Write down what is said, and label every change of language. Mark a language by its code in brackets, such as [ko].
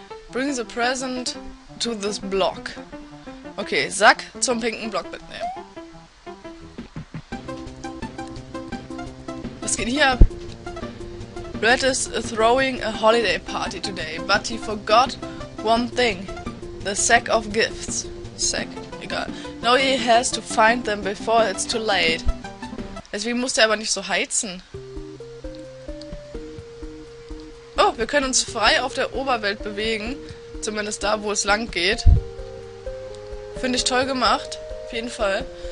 [en] Bring the present to this block. [de] Okay, Sack zum pinken Block mitnehmen. Was geht hier ab? [en] Red is throwing a holiday party today, but he forgot one thing. The sack of gifts. [de] Sack, egal. [en] No, he has to find them before it's too late. [de] Deswegen muss der aber nicht so heizen. Oh, wir können uns frei auf der Oberwelt bewegen. Zumindest da, wo es lang geht. Finde ich toll gemacht. Auf jeden Fall.